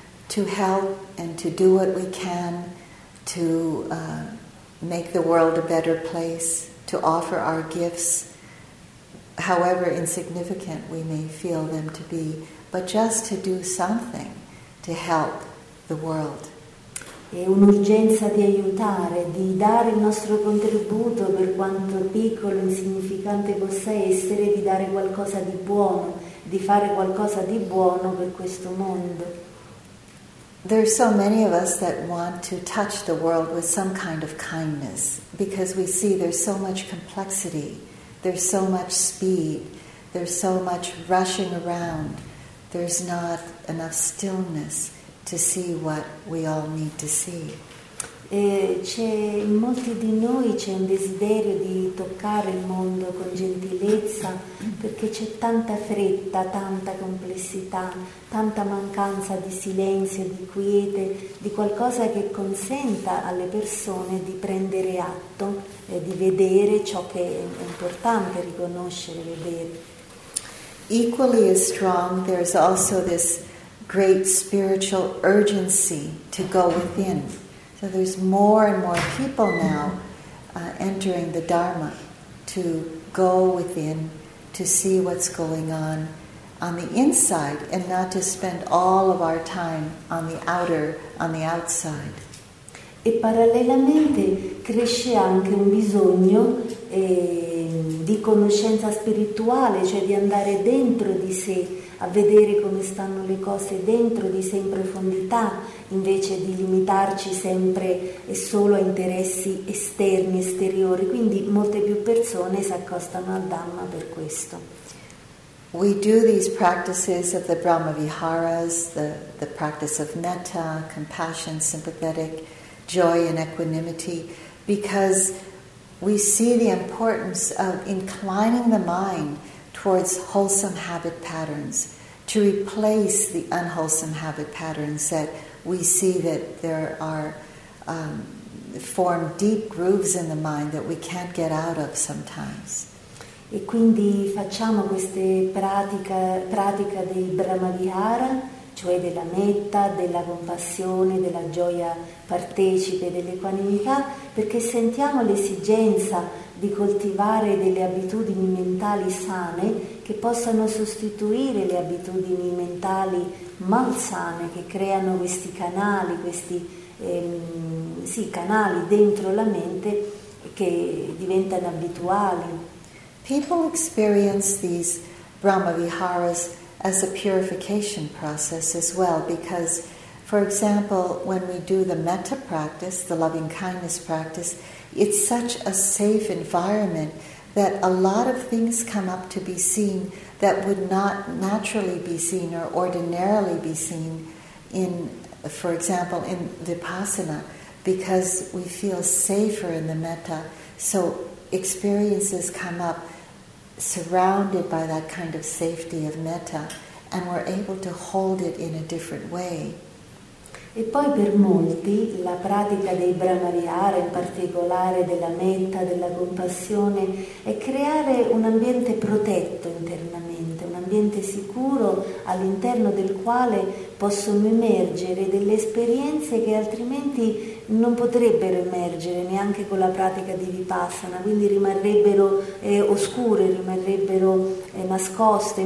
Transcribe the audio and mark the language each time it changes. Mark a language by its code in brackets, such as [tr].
[en] To help and to do what we can to make the world a better place, to offer our gifts, however insignificant we may feel them to be, but just to do something to help the world. [it] È un'urgenza di aiutare, di dare il nostro contributo, per quanto piccolo e insignificante possa essere, di dare qualcosa di buono, di fare qualcosa di buono per questo mondo. [en] There are so many of us that want to touch the world with some kind of kindness, because we see there's so much complexity, there's so much speed, there's so much rushing around, there's not enough stillness to see what we all need to see. [it] C'è in molti di noi c'è un desiderio di toccare il mondo con gentilezza, perché c'è tanta fretta, tanta complessità, tanta mancanza di silenzio, di quiete, di qualcosa che consenta alle persone di prendere atto e di vedere ciò che è importante riconoscere, vedere. [en] Equally as strong, there is also this great spiritual urgency to go within. So there's more and more people now entering the Dharma to go within, to see what's going on the inside, and not to spend all of our time on the outer, on the outside. [it] E parallelamente cresce anche un bisogno di conoscenza spirituale, cioè di andare dentro di sé, a vedere come stanno le cose dentro di sé in profondità, invece di limitarci sempre e solo a interessi esterni, esteriori. Quindi molte più persone si accostano al Dhamma per questo. [en] We do these practices of the Brahmaviharas, the practice of metta, compassion, sympathetic, joy and equanimity, because we see the importance of inclining the mind towards wholesome habit patterns, to replace the unwholesome habit patterns that we see that there are formed deep grooves in the mind that we can't get out of sometimes. [it] E quindi facciamo queste pratica dei Brahmavihara, cioè della metta, della compassione, della gioia partecipe, dell'equanimità, perché sentiamo l'esigenza di coltivare delle abitudini mentali sane che possano sostituire le abitudini mentali malsane che creano questi canali, questi canali dentro la mente che diventano abituali. [en] People experience these Brahmaviharas as a purification process as well, because, for example, when we do the metta practice, the loving kindness practice, it's such a safe environment that a lot of things come up to be seen that would not naturally be seen or ordinarily be seen in, for example, in Vipassana, because we feel safer in the metta. So experiences come up surrounded by that kind of safety of metta, and we're able to hold it in a different way. [it] E poi per molti la pratica dei Brahmavihara, in particolare della metta, della compassione, è creare un ambiente protetto internamente, un ambiente sicuro all'interno del quale possono emergere delle esperienze che altrimenti non potrebbero emergere neanche con la pratica di Vipassana, quindi rimarrebbero oscure, rimarrebbero nascoste.